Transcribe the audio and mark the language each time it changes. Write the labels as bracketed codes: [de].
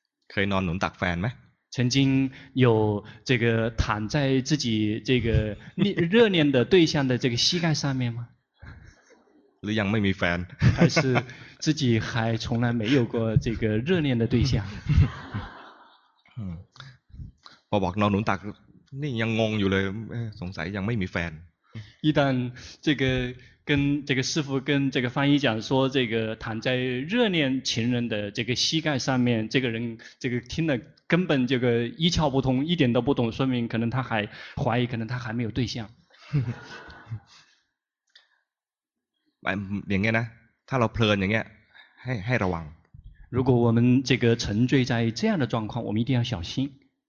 [th] เคยนอนหนุนตักแฟนไหม [zh] 曾经有这个躺在自己这个热恋的对象的这个膝盖上面吗 [th] หรือยังไม่มีแฟน [zh] 还是自己还从来没有过这个热恋的对象 [th] พอบอกนอนหนุนตักนี่ยังงงอยู่เลยสงสัยยังไม่มีแฟน [zh] 一旦这个跟这个师父跟这个翻译讲说这个躺在热恋情人的这个膝盖上面这个人这个听了根本这个一窍不通一点都不懂说明可能他还怀疑可能他还没有对象 [th] 哎อย่างเงี้ยนะถ้าเราเพลินอย่างเงี้ยให้ระวัง [zh] 如果我们这个沉醉在这样的状况我们一定要小心